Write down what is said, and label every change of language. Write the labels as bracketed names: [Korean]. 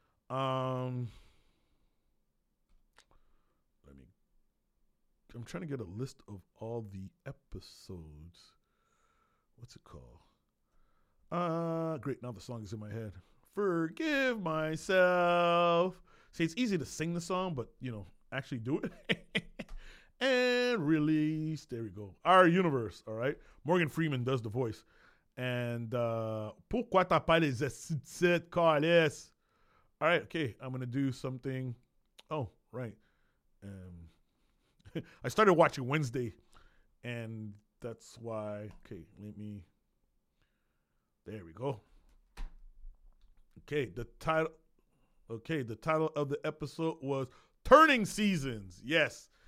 [English] I'm trying to get a list of all the episodes. What's it called? Great. Now the song is in my head. Forgive myself. See, it's easy to sing the song, but, you know, actually do it and release. There we go. Our universe. All right. Morgan Freeman does the voice. [French] And pourquoi t'as pas les assiettes, Carlos? [English] All right. Okay. I'm going to do something. Oh, right. I started watching Wednesday, and that's why. Okay. Let me. There we go. Okay. The title of the episode was Turning Seasons. Yes.